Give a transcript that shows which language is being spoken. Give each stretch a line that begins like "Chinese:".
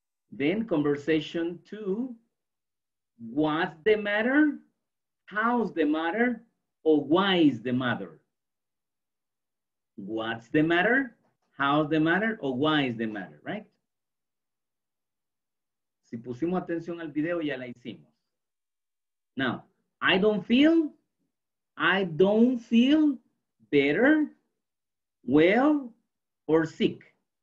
English: Then conversation two, what's the matter, how's the matter, or why is the matter? What's the matter, how's the matter, or why is the matter, right?
Spanish: Si pusimos atención al video, ya la hicimos.
English: Now, I don't feel better, well, or sick.